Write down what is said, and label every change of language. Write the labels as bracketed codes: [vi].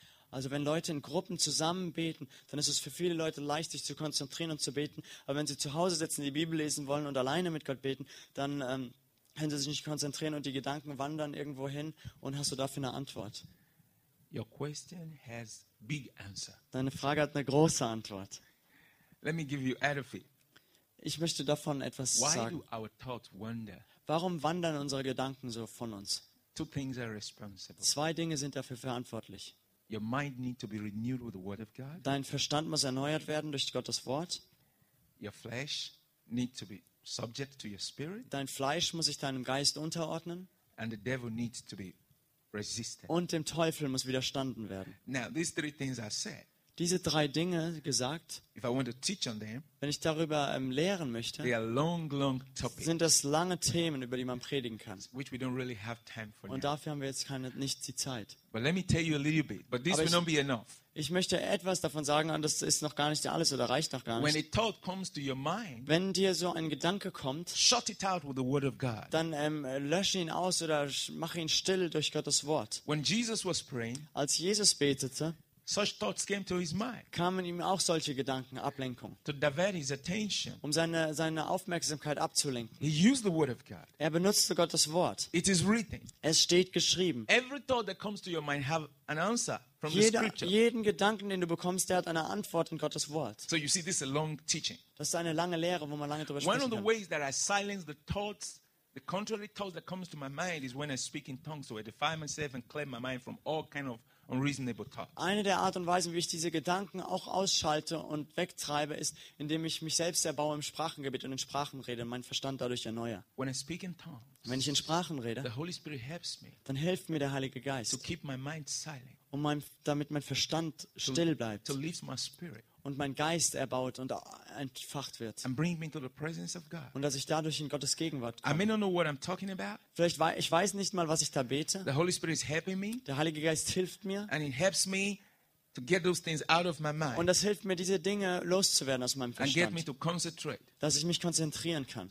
[de] Also wenn Leute in Gruppen zusammen beten, dann ist es für viele Leute leicht, sich zu konzentrieren und zu beten. Aber wenn sie zu Hause sitzen, die Bibel lesen wollen und alleine mit Gott beten, dann können sie sich nicht konzentrieren und die Gedanken wandern irgendwo hin und hast du dafür eine Antwort. [en] Your question has big answer. [de] Deine Frage hat eine große Antwort. [en] Let me give you out of it. [de] Ich möchte davon etwas [en] Why [de] sagen. [en] Do our thoughts wander? [de] Warum wandern unsere Gedanken so von uns? [en] Two things are responsible. [de] Zwei Dinge sind dafür verantwortlich. [en] Your mind need to be renewed with the word of God. [de] Dein Verstand muss erneuert werden durch Gottes Wort. [en] Your flesh need to be subject to your spirit. [de] Dein Fleisch muss sich deinem Geist unterordnen. [en] And the devil needs to be resisted. [de] Und dem Teufel muss widerstanden werden. [en] Now, these three things are said. [de] Diese drei Dinge gesagt, [en] If I want to teach on them, [de] wenn ich darüber lehren möchte, [en] they are long, long topics, [de] sind das lange Themen, über die man predigen kann. [en] Which we don't really have time for [de] Und [en] now. [de] Dafür haben wir jetzt nicht die Zeit. [en] But let me tell you a little bit, but this [de] Aber [en] will not be enough. [de] Ich möchte etwas davon sagen, und das ist noch gar nicht alles oder reicht noch gar nicht. [en] When a thought comes to your mind, [de] wenn dir so ein Gedanke kommt, [en] shut it out with the word of God. [de] Dann lösche ihn aus oder mache ihn still durch Gottes Wort. [en] When Jesus was praying, [de] als Jesus betete, [en] Such thoughts came to his mind. [de] Kamen ihm auch solche Gedanken, Ablenkung. [en] To divert his attention. [de] Um seine Aufmerksamkeit abzulenken. [en] He used the word of God. [de] Er benutzte Gottes Wort. [en] It is written. [de] Es steht geschrieben. [en] Every thought that comes to your mind have an answer from the scripture. [de] Jeden Gedanken, den du bekommst, der hat eine Antwort in Gottes Wort. [en] So you see, this is a long teaching. [de] Das ist eine lange Lehre, wo man lange drüber sprechen kann. [en] One of the ways that I silence the thoughts The contrary thought that comes to my mind is when I speak in tongues, so I defy myself and clear my mind from all kind of unreasonable thoughts. [de] Eine der Art und Weisen, wie ich diese Gedanken auch ausschalte und wegtreibe, ist, indem ich mich selbst erbaue im Sprachengebet und in Sprachen rede und meinen Verstand dadurch erneuere. [en] When I speak in tongues, [de] wenn ich in Sprachen rede, [en] the Holy Spirit helps me, [de] dann hilft mir der Heilige Geist, [en] to keep my mind silent, [de] damit mein Verstand still bleibt, [en] to lift my spirit. [de] Und mein Geist erbaut und entfacht wird. [en] And bring me into the presence of God. [de] Und dass ich dadurch in Gottes Gegenwart komme. [en] I may not know what I'm talking about. [de] Vielleicht ich weiß nicht mal, was ich da bete. [en] The Holy Spirit is helping me. [de] Der Heilige Geist hilft mir. [en] And it helps me to get those things out of my mind. [de] Und das hilft mir, diese Dinge loszuwerden aus meinem Verstand. [en] And get me to concentrate. [de] Dass ich mich konzentrieren kann.